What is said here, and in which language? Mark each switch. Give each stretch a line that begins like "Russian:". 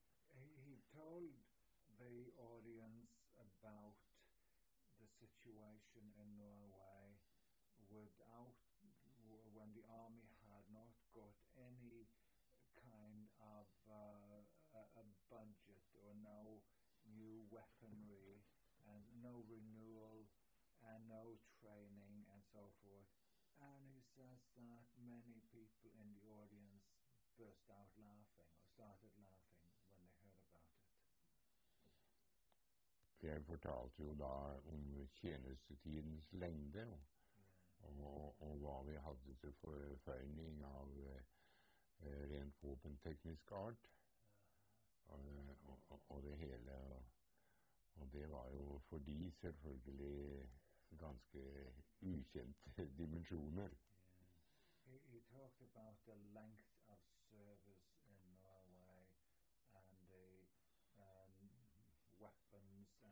English: He told the audience about the situation in Norway without, when the army had not got any kind of a budget or no new weaponry and no renewal and no training and so forth. And he says that many people in the audience burst out laughing or started laughing when they heard about it.
Norwegian: Jeg fortalte jo da om tjenestetidens lengde og hva vi hadde til forføyning av rent våpenteknisk art og det hele, og det var jo for de selvfølgelig ganske ukjente dimensjoner.
English: Yeah. He talked about the length of service in Norway and the weapons